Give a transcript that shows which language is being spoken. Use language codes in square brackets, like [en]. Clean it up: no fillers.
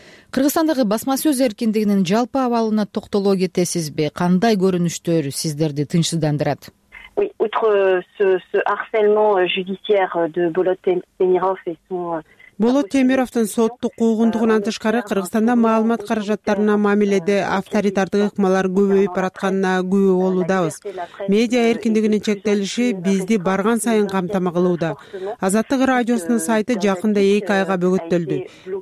[ky] Кыргызстандагы басма сөз эркиндигинин жалпы абалына токтоло кетесизби? Кандай көрүнүштөр сиздерди тынчсыздандырат? [fr] Outre ce harcèlement judiciaire de Bolot Temirov et son [ky] Болот Темировтун соттук куугунтугунан тышкары Кыргызстанда маалымат каражаттарына мамиледе авторитардык ыкмалар көбөйүп баратканына күбө болуудабыз. Медиа эркиндигинин чектелиши бизди барган сайын камтама кылууда. Азаттык радиосунун сайты жакында 2 айга бөгөттөлдү.